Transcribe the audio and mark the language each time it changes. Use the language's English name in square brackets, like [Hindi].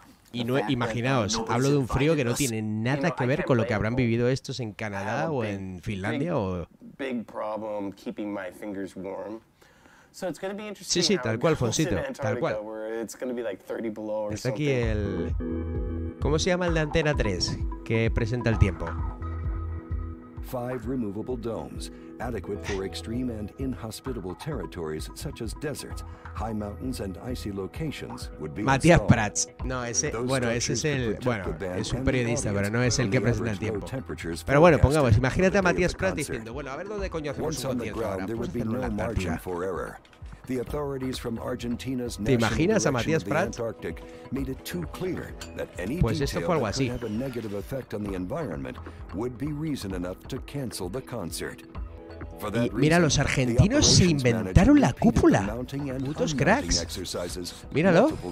[Spanish] Y no, imaginaos, hablo de un frío que no tiene nada que ver con lo que habrán vivido estos en Canadá o en Finlandia o. [English] Big problem keeping my fingers warm. So it's going to be interesting. [Spanish] Sí, sí, tal cual, Fonsito, tal cual. [English] It's going to be like 30 below or something. [Spanish] Está aquí el. ¿Cómo se llama el de Antena 3 que presenta el tiempo? [English] Five removable domes, adequate for extreme and inhospitable territories such as deserts, high mountains and icy locations would be. [Spanish] Matías Prats. No, ese, bueno, ese es el, bueno, es un periodista, pero no es el que presenta el tiempo. Pero bueno, pongamos, imagínate a Matías Prats diciendo, bueno, a ver dónde coño hacemos un concierto ahora, pues en la [English] The authorities from Argentina's National Antarctic made it too clear that any detail that could have a negative effect on the environment would be reason enough to cancel the concert. [Spanish] Y mira, los argentinos se inventaron la cúpula. Putos cracks. Míralo.